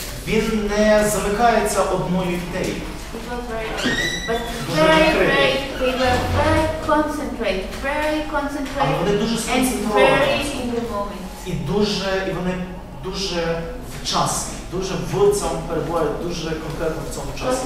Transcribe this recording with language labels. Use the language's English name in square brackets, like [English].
[Ukrainian] Він не замикається одною ідеєю. [English] It was very awesome. But very, very, they were very concentrated, very concentrated, and very in the moment. [Ukrainian] І дуже, і вони дуже вчасні, дуже в цьому перебуває, дуже конкретно в цьому часі.